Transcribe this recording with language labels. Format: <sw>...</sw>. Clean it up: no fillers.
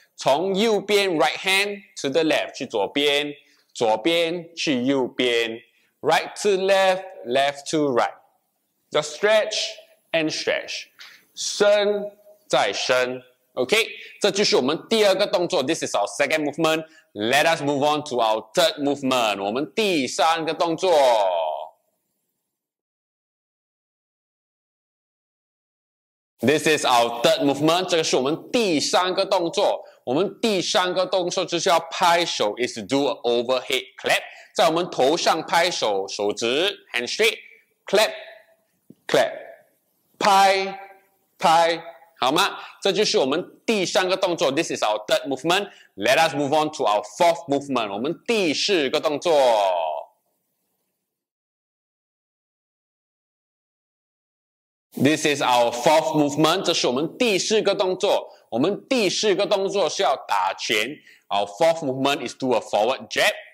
<zh>从右边</zh> <en>right hand to the left</en> <zh>去左边，左边去右边</zh> <en>，right to left, left to right. The stretch and stretch,</en> <zh>伸再伸。 OK， 这就是我们第二个动作。</zh> <en>This is our second movement. Let us move on to our third movement.</en> <zh>我们第三个动作。</zh> <en>This is our third movement.</en> <zh>这个是我们第三个动作。我们第三个动作就是要拍手</zh> <en>is to do an overhead clap.</en> <zh>在我们头上拍手，手指</zh> <en>hand straight, clap, clap,</en> <zh>拍拍，好吗？这就是我们第三个动作。</zh> <en>This is our third movement. Let us move on to our fourth movement.</en> <zh>我们第四个动作。</zh> <en>This is our fourth movement.</en> <zh>这是我们第四个动作。我们第四个动作是要打拳。</zh> <en>Our fourth movement is do a forward jab.</en>